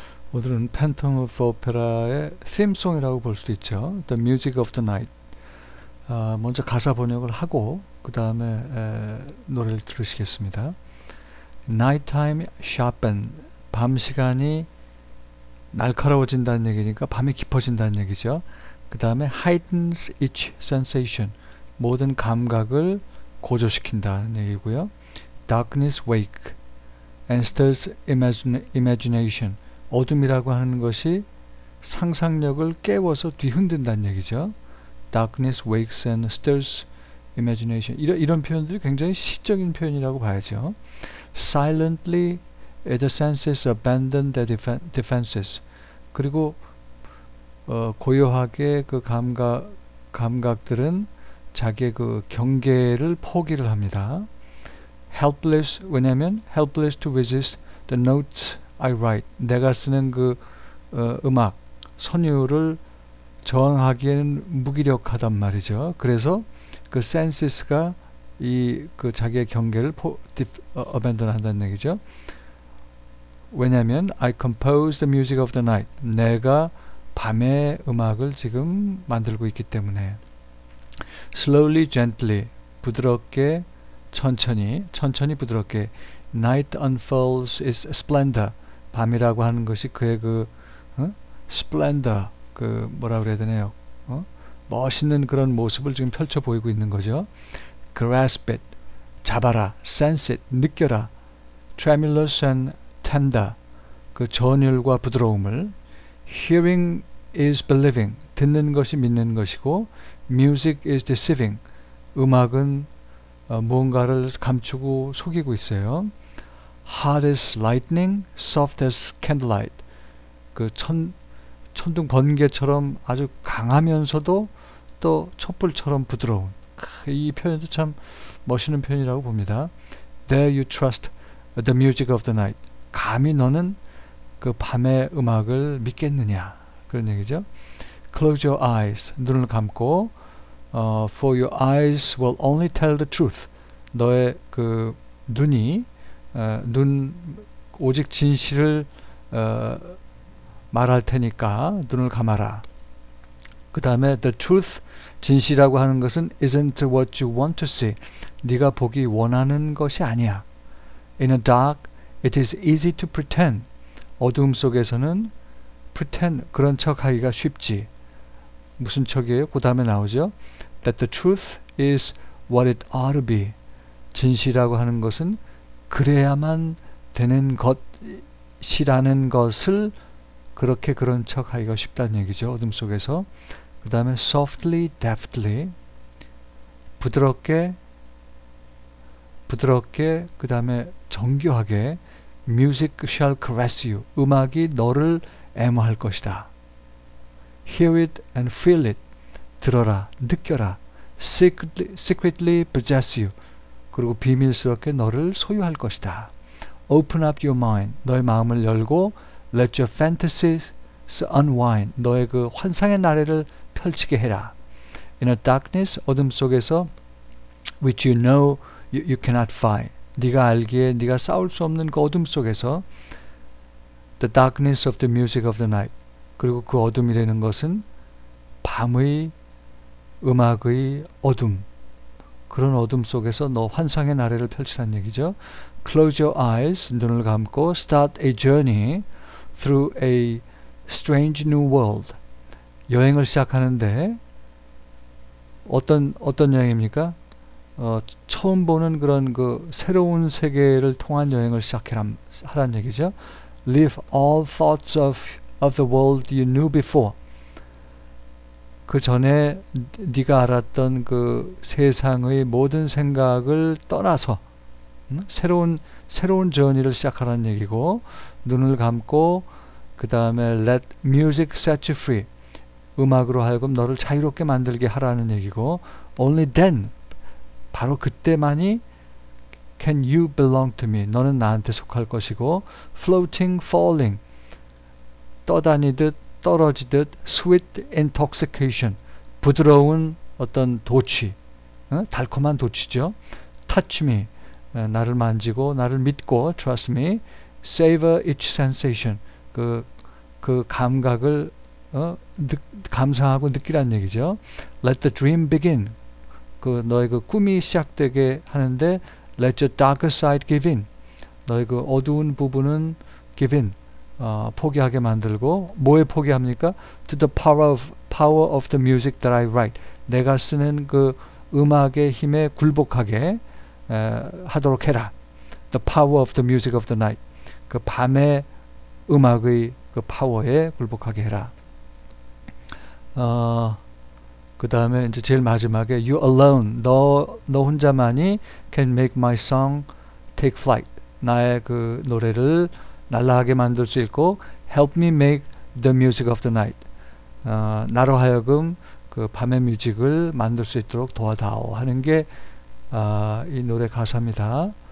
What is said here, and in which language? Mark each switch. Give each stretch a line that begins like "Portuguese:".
Korean: 오늘은 팬텀 오브 오페라의 theme송이라고 볼 수도 있죠.
English: The Music of the Night.
Korean: 먼저 가사 번역을 하고 그 다음에 노래를 들으시겠습니다.
English: Nighttime sharpen.
Korean: 밤 시간이 날카로워진다는 얘기니까 밤이 깊어진다는 얘기죠. 그 다음에
English: heightens each sensation.
Korean: 모든 감각을 고조시킨다는 얘기고요.
English: Darkness wake and stirs imagination.
Korean: 어둠이라고 하는 것이 상상력을 깨워서 뒤흔든다는 얘기죠.
English: Darkness wakes and stirs imagination.
Korean: 이런 표현들이 굉장히 시적인 표현이라고 봐야죠.
English: Silently the senses abandon their defenses.
Korean: 그리고 고요하게 그 감각들은 자기의 그 경계를 포기를 합니다.
English: Helpless,
Korean: 왜냐면
English: helpless to resist the notes I write.
Korean: 내가 쓰는 그 음악, 선율을 저항하기에는 무기력하단 말이죠. 그래서 그 senses가 이 그 자기의 경계를 abandon 한다는 얘기죠. 왜냐면
English: I compose the music of the night.
Korean: 내가 밤의 음악을 지금 만들고 있기 때문에.
English: Slowly, gently,
Korean: 부드럽게, 천천히, 천천히 부드럽게.
English: Night unfolds its splendor.
Korean: 밤이라고 하는 것이 그의 그 splendor, 그 뭐라 그래야 되나요? 멋있는 그런 모습을 지금 펼쳐 보이고 있는 거죠.
English: Grasp it,
Korean: 잡아라,
English: sense it,
Korean: 느껴라.
English: Tremulous and tender,
Korean: 그 전율과 부드러움을.
English: Hearing is believing,
Korean: 듣는 것이 믿는 것이고.
English: Music is deceiving,
Korean: 음악은 무언가를 감추고 속이고 있어요.
English: Hard as lightning, soft as candlelight.
Korean: 그 천둥 번개처럼 아주 강하면서도 또 촛불처럼 부드러운. 이 표현도 참 멋있는 표현이라고 봅니다.
English: Dare you trust the music of the night.
Korean: 감히 너는 그 밤의 음악을 믿겠느냐. 그런 얘기죠.
English: Close your eyes.
Korean: 눈을 감고.
English: For your eyes will only tell the truth.
Korean: 너의 그 눈이 눈 오직 진실을 말할 테니까 눈을 감아라. 그 다음에
English: the truth,
Korean: 진실이라고 하는 것은
English: isn't what you want to see.
Korean: 네가 보기 원하는 것이 아니야.
English: In the dark, it is easy to pretend.
Korean: 어둠 속에서는 pretend, 그런 척하기가 쉽지. 무슨 척이에요? 그 다음에 나오죠.
English: That the truth is what it ought to be.
Korean: 진실이라고 하는 것은 그래야만 되는 것이라는 것을 그렇게 그런 척 하기가 쉽다는 얘기죠. 어둠 속에서. 그 다음에
English: softly, deftly.
Korean: 부드럽게, 그 다음에 정교하게.
English: Music shall caress you.
Korean: 음악이 너를 애무할 것이다.
English: Hear it and feel it.
Korean: 들어라, 느껴라.
English: Secretly possess you.
Korean: 그리고 비밀스럽게 너를 소유할 것이다.
English: Open up your mind.
Korean: 너의 마음을 열고.
English: Let your fantasies unwind.
Korean: 너의 그 환상의 나래를 펼치게 해라.
English: In a darkness,
Korean: 어둠 속에서,
English: which you know you cannot fight.
Korean: 네가 알기에 네가 싸울 수 없는 그 어둠 속에서.
English: The darkness of the music of the night.
Korean: 그리고 그 어둠이라는 것은 밤의 음악의 어둠. 그런 어둠 속에서 너 환상의 나래를 펼치라는 얘기죠.
English: Close your eyes.
Korean: 눈을 감고.
English: Start a journey through a strange new world.
Korean: 여행을 시작하는데 어떤 여행입니까? 처음 보는 그런 그 새로운 세계를 통한 여행을 하란 얘기죠.
English: Leave all thoughts of the world you knew before.
Korean: 그 전에 네가 알았던 그 세상의 모든 생각을 떠나서 새로운 journey를 시작하라는 얘기고. 눈을 감고 그 다음에
English: let music set you free.
Korean: 음악으로 하여금 너를 자유롭게 만들게 하라는 얘기고.
English: Only then,
Korean: 바로 그때만이
English: can you belong to me.
Korean: 너는 나한테 속할 것이고.
English: Floating, falling,
Korean: 떠다니듯 떨어지듯.
English: Sweet intoxication,
Korean: 부드러운 어떤 도취, 달콤한 도취죠.
English: Touch me,
Korean: 나를 만지고 나를 믿고.
English: Trust me. Savor each sensation, 그
Korean: 그 감각을 감상하고 느끼란 얘기죠.
English: Let the dream begin.
Korean: 그 너의 그 꿈이 시작되게 하는데,
English: Let your darker side give in.
Korean: 너의 그 어두운 부분은
English: give in.
Korean: 포기하게 만들고, 뭐에 포기합니까?
English: To the power of the music that I write.
Korean: 내가 쓰는 그 음악의 힘에 굴복하게 하도록 해라.
English: The power of the music of the night.
Korean: 그 밤의 음악의 그 파워에 굴복하게 해라. 그 다음에 이제 제일 마지막에 You alone, 너 혼자만이
English: can make my song take flight.
Korean: 나의 그 노래를 날아가게 만들 수 있고
English: Help me make the music of the night.
Korean: 나로 하여금 그 밤의 뮤직을 만들 수 있도록 도와다오 하는 게 이 노래 가사입니다.